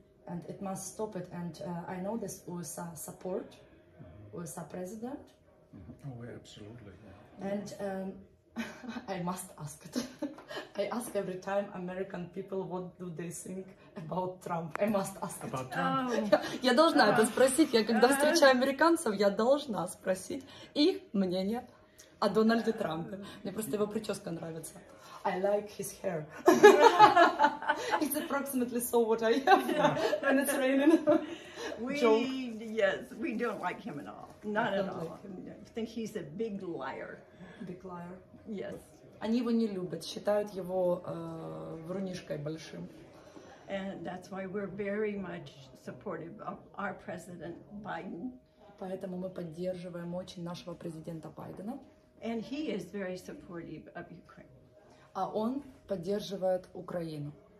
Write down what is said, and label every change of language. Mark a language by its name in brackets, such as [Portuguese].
[English] And it must stop it. And I know this USA support, USA president. Mm-hmm. Oh, absolutely. Yeah. And I must ask it. I ask every time American people, what do they think about Trump? I must ask about it. Trump. [Russian] Я должна это спросить. Я когда встречаю американцев, я должна спросить их мнение. А Дональде Трампе. Мне просто его прическа нравится. [English] I like his hair. It's approximately so what I have. Yeah. And it's raining. We don't like him at all. Not at all. Like I think he's a big liar. Big liar? Yes. [Russian] Они его не любят, считают его врунишкой большим. [English] And that's why we're very much supportive of our president Biden. [Russian] Поэтому мы поддерживаем очень нашего президента Байдена. [English] And he is very supportive of Ukraine. [Russian] А он поддерживает Украину.